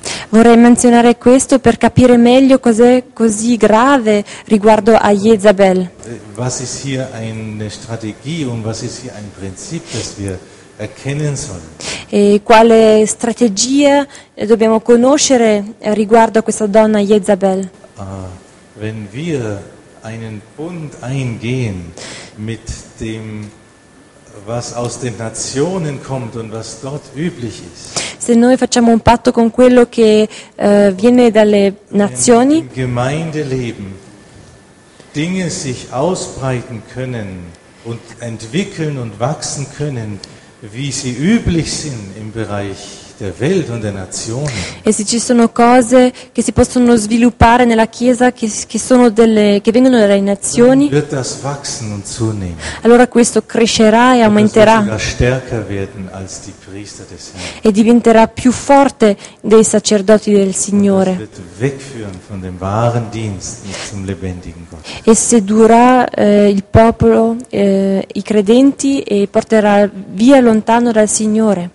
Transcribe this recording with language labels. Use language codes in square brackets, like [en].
[it] Vorrei menzionare questo per capire meglio cos'è così grave riguardo a Jezabel. [de] Was ist hier eine Strategie und was ist hier ein Prinzip, das wir erkennen sollen? [it] E quale strategia dobbiamo conoscere riguardo a questa donna Jezabel? [de] Wenn wir einen Bund eingehen mit dem, was aus den Nationen kommt und was dort üblich ist. [it] Se noi facciamo un patto con quello che viene dalle nazioni. [de] Im Gemeindeleben Dinge sich ausbreiten können und entwickeln und wachsen können, wie sie üblich sind im Bereich der Welt und der Nationen. [it] E se ci sono cose che si possono sviluppare nella Chiesa che vengono dalle nazioni, [de] wird das wachsen und zunehmen. [it] Allora questo crescerà e aumenterà. [de] Das wird stärker werden als die Priester des Herrn. [it] E diventerà più forte dei sacerdoti del Signore. [de] Und das wird wegführen von dem wahren Dienst zum lebendigen Gott. [it] E sedurrà il popolo, i credenti e porterà via lontano dal Signore.